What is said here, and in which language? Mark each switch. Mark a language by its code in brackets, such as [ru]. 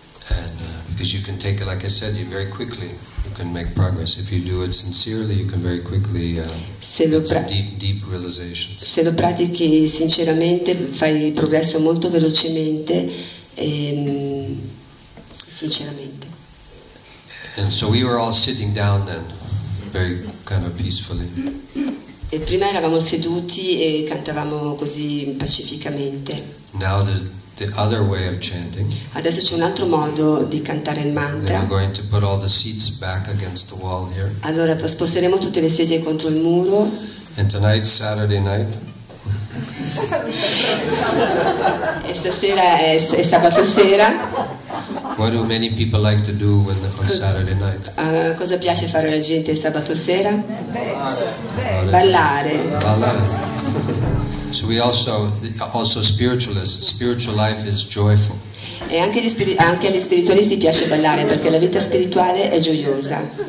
[en] And because you can take it, like I said, you very quickly you can make progress if you do it sincerely. You can very quickly deep realizations. [it] Se lo pratichi sinceramente, fai progresso molto velocemente. Sinceramente. [en] And so we were all sitting down then, very kind of peacefully. [it] E prima eravamo seduti e cantavamo così pacificamente. [en] Now the other way of chanting. [it] Adesso c'è un altro modo di cantare il mantra. [en] We're going to put all the seats back against the wall here. [it] Allora sposteremo tutte le sedie contro il muro. [en] And tonight, Saturday night. [it] E stasera è sabato sera. [en] What do many people like to do when on Saturday night? [it] Cosa piace fare la gente il sabato sera? Ballare. Ballare. [en] So we also spiritualists. Spiritual life is joyful. [it] E anche agli spiritualisti piace ballare perché la vita spirituale è gioiosa.